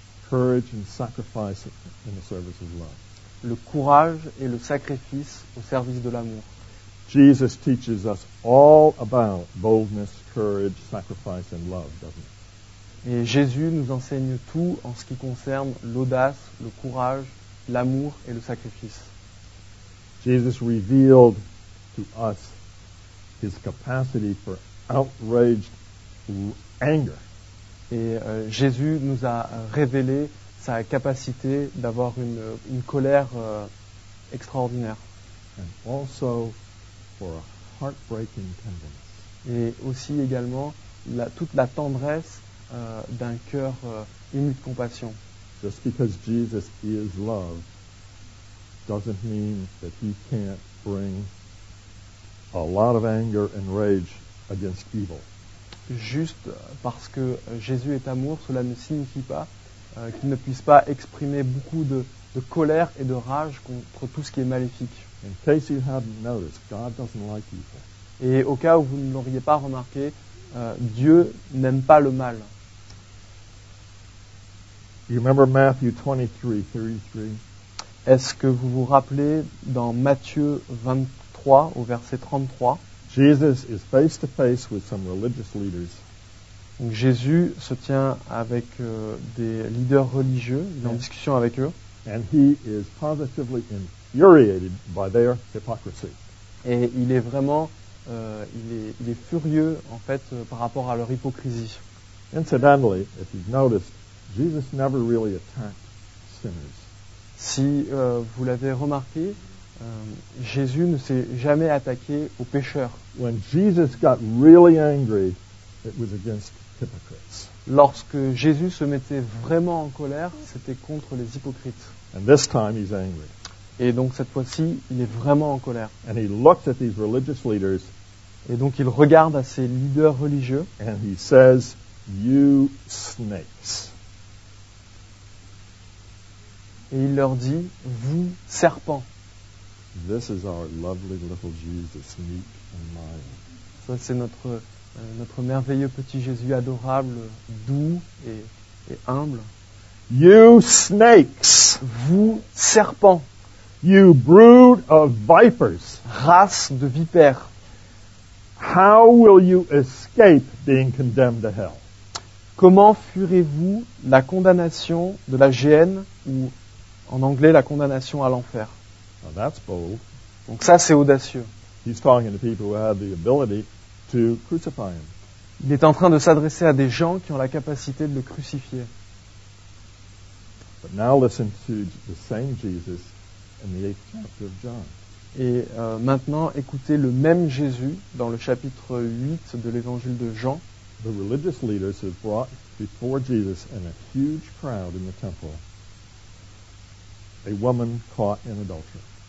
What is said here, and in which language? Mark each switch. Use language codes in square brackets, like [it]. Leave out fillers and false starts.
[en] Courage and sacrifice in the service of love. [fr] Le courage et le sacrifice au service de l'amour. [en] Jesus teaches us all about boldness, courage, sacrifice and love, doesn't he? [fr] Et Jésus nous enseigne tout en ce qui concerne l'audace, le courage, l'amour et le sacrifice. [en] Jesus revealed to us his capacity for outraged anger. [fr] Et Jésus nous a révélé sa capacité d'avoir une colère extraordinaire. [en] And also for a heartbreaking tenderness. [fr] Et aussi également toute la tendresse d'un cœur ému de compassion. [en] Just because Jesus is love doesn't mean that he can't bring a lot of anger and rage against evil. [fr] Juste parce que Jésus est amour, cela ne signifie pas qu'il ne puisse pas exprimer beaucoup de colère et de rage contre tout ce qui est maléfique. [en] In case you haven't noticed, God doesn't like evil. [fr] Et au cas où vous ne l'auriez pas remarqué, Dieu n'aime pas le mal. [en] You remember Matthew 23:33? [fr] Est-ce que vous vous rappelez dans Matthieu 23 au verset 33? [en] Jesus is face to face with some religious leaders. [fr] Donc Jésus se tient avec des leaders religieux, il est en discussion avec eux. [en] And he is positively infuriated by their hypocrisy. [fr] Et il est vraiment il est furieux en fait par rapport à leur hypocrisie. [en] Incidentally, if you've noticed, Jesus never really attacked sinners. [fr] Si vous l'avez remarqué, Jésus ne s'est jamais attaqué aux pécheurs. [en] When Jesus got really angry, it was against hypocrites. [fr] Lorsque Jésus se mettait vraiment en colère, c'était contre les hypocrites. [en] And this time he's angry. [fr] Et donc cette fois-ci, il est vraiment en colère. [en] And he looks at these religious leaders. [fr] Et donc il regarde à ces leaders religieux. [en] And he says, "You snakes." [fr] Et il leur dit, vous serpents. [en] This is our lovely little Jesus, meek and mild. [fr] Ça, c'est notre merveilleux petit Jésus adorable, doux et humble. [en] You snakes. [fr] Vous serpents. [en] You brood of vipers. [fr] Race de vipères. [en] How will you escape being condemned to hell? [fr] Comment fuirez-vous la condamnation de la géhenne ou en anglais, la condamnation à l'enfer. [en] Now that's bold. [fr] Donc ça, c'est audacieux. [en] He's talking to people who have the ability to crucify him. [fr] Il est en train de s'adresser à des gens qui ont la capacité de le crucifier. [en] But now listen to the same Jesus in the 8th chapter of John. [fr] Et maintenant, écoutez le même Jésus dans le chapitre 8 de l'évangile de Jean. [en] The religious leaders have brought before Jesus and a huge crowd in the temple. A woman caught in adultery.